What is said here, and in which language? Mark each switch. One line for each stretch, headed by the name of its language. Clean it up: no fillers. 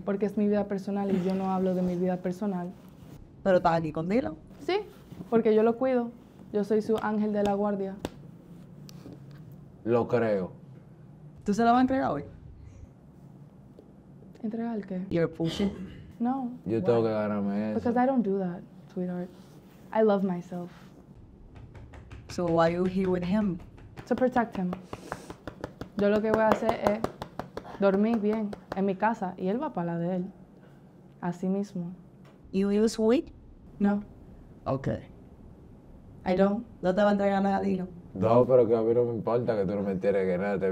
Spanish: Porque es mi vida personal y yo no hablo de mi vida personal. ¿Pero estás aquí con Dilo? Sí, porque yo lo cuido. Yo soy su ángel de la guardia. Lo creo. ¿Tú se la vas a entregar hoy? ¿Entregar el qué?
English: Your pussy.
Spanish: No. Yo tengo que ganarme eso.
English: Because I don't do that, sweetheart. I love myself. So why are you here with him? To protect him.
Spanish: Yo lo que voy a hacer es dormir bien en mi casa y él va para la de él. Así mismo.
English: You use weed? No. Okay. I don't.
Spanish: No te va a entregar nada, Dilo. No, pero que a mí no me importa que tú no me entieres que nada, te